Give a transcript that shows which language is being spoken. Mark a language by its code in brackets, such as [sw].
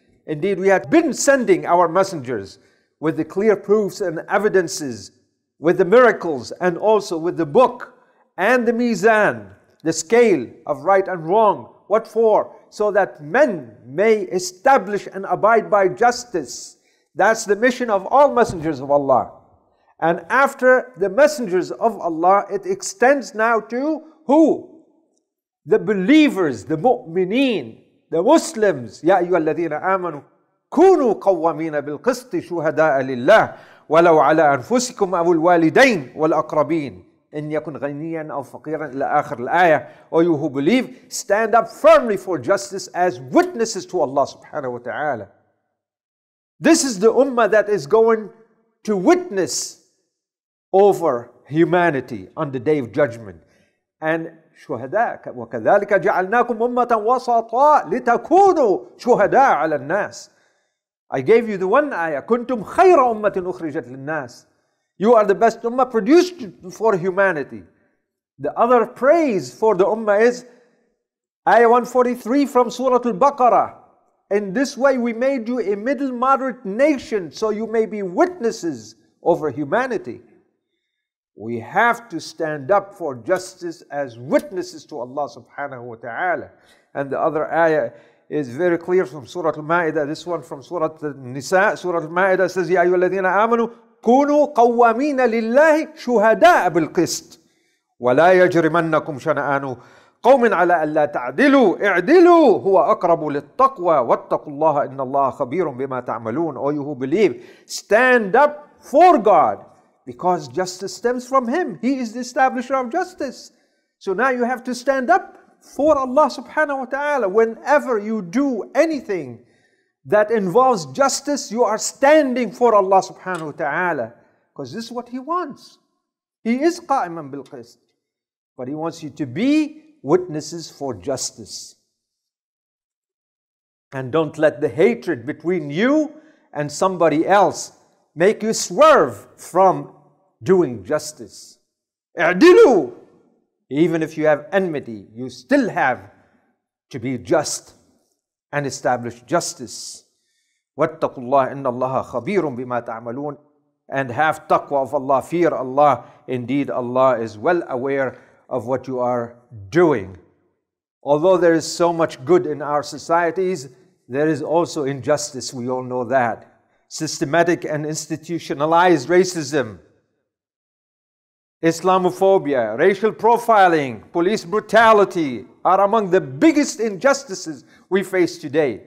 [en] Indeed, we had been sending our messengers with the clear proofs and evidences, with the miracles, and also with the book and the mizan, the scale of right and wrong, What for? So that men may establish and abide by justice. That's the mission of all messengers of Allah. And after the messengers of Allah, it extends now to who? The believers, the mu'mineen, the Muslims. [ar] يَا أَيُّهَا الَّذِينَ آمَنُوا كُونُوا قَوَّمِينَ بِالْقِسْطِ شُهَدَاءَ لِلَّهِ وَلَوْ عَلَىٰ أَنفُسِكُمْ أَوْ الْوَالِدَيْنِ وَالْأَقْرَبِينَ إِنْ يَكُنْ غَنِيًّا أَوْ فَقِيرًا إِلَىٰ آخِرِ الْآيَةِ. Or you who believe, stand up firmly for justice as witnesses to Allah subhanahu wa ta'ala. [en] This is the ummah that is going to witness over humanity on the day of judgment. [ar] And شهداء وكذلك جعلناكم أمة وسطاء لتكونوا شهداء على الناس. [en] I gave you the one ayah. [ar] كنتم خير أمة أخرجت للناس. [en] You are the best ummah produced for humanity. The other praise for the ummah is ayah 143 from Surah Al-Baqarah. In this way we made you a middle moderate nation so you may be witnesses over humanity. We have to stand up for justice as witnesses to Allah subhanahu wa ta'ala. And the other ayah is very clear from Surah Al-Ma'idah. This one from Surah Al-Nisa. [ar] Surah Al-Ma'idah says, يَا أَيُّهَا الَّذِينَ آمَنُوا كُونُوا قَوَّمِينَ لِلَّهِ شُهَدَاءَ بِالْقِسْطِ وَلَا يَجْرِمَنَّكُمْ شَنَآنُوا قَوْمٍ عَلَىٰ أَلَّا تَعْدِلُوا اِعْدِلُوا هُوَ أَقْرَبُ لِلتَّقْوَى وَاتَّقُوا اللَّهَ إِنَّ اللَّهَ خَبِيرٌ بِمَا تَعْمَلُونَ. [en] All you who believe, stand up for God, because justice stems from Him. He is the establisher of justice. So now you have to stand up for Allah subhanahu wa ta'ala. Whenever you do anything that involves justice, you are standing for Allah subhanahu wa ta'ala. Because this is what He wants. He is qa'iman bil qist. But He wants you to be witnesses for justice. And don't let the hatred between you and somebody else make you swerve from doing justice. [ar] اعدلوا. [en] Even if you have enmity, you still have to be just and establish justice. [ar] واتقوا الله إن الله خبير بما تعملون. [en] And have taqwa of Allah, fear Allah. Indeed, Allah is well aware of what you are doing. Although there is so much good in our societies, there is also injustice. We all know that. Systematic and institutionalized racism, Islamophobia, racial profiling, police brutality are among the biggest injustices we face today.